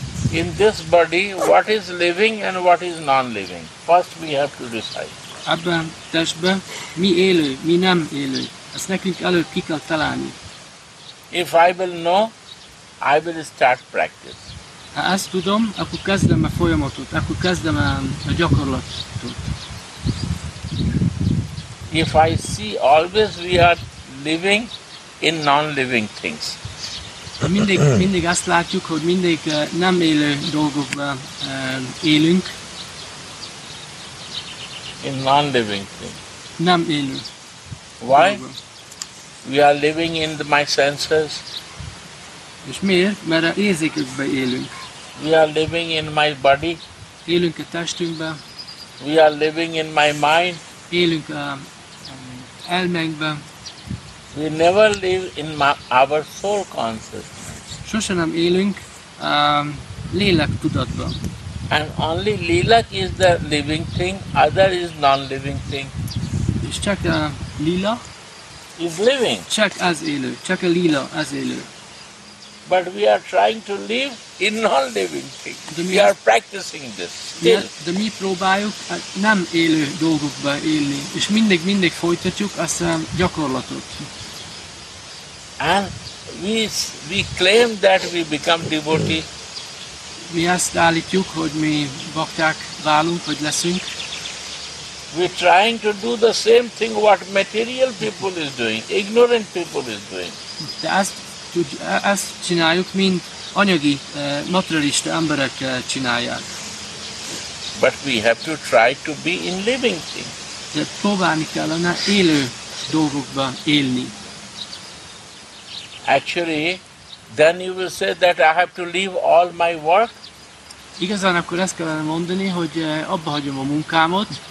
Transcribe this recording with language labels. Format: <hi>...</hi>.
<en>In this body, what is living and what is non-living? First we have to decide.</en> <hu>Ebben a testben mi élő, mi nem élő. Ezt nekünk előbb ki kell találni.</hu> <en>If I will know, I will start practice.</en> <hu>Ha ezt tudom, akkor kezdem a folyamatot, akkor kezdem a gyakorlatot.</hu> <en>If I see always we are living in non-living things.</en> <hu>Mindig azt látjuk, hogy mindig nem élő dolgokban élünk.</hu> <en>In non-living thing.</en> <hu>Nem élő.</hu> <en>Why? We are living in my senses.</en> <hu>És miért? Mert az érzékekben élünk.</hu> <en>We are living in my body.</en> <hu>Élünk a testünkben.</hu> <en>We are living in my mind.</en> <hu>Élünk a elménkben.</hu> <en>We never live in our soul consciousness.</en> <hu>Sose nem élünk a lélek tudatban.</hu> <en>And only lilak is the living thing, other is non-living thing.</en> <hu>És csak a lila?</hu> <en>Is living.</en> <hu>Csak az élő. Csak a lila az élő.</hu> <en>but we are trying to live in non-living things. We are practicing this.</en> <hu>De mi próbáljuk nem élő dolgokba élni, és mindig folytatjuk azt a gyakorlatot.</hu> <en>And we claim that we become devotee.</en> <hu>Mi azt állítjuk, hogy mi bakták válunk, hogy leszünk.</hu> <en>We trying to do the same thing what material people is doing, ignorant people is doing.</en> <hu>De azt csináljuk, mint anyagi, materialista emberek csinálják.</hu> <en>But we have to try to be in living things.</en> <hu>De próbálni kellene élő dolgokban élni.</hu> <en>Actually, then you will say that I have to leave all my work.</en> <hu>Igazán akkor ezt kellene mondani, hogy abba hagyom a munkámot.</hu>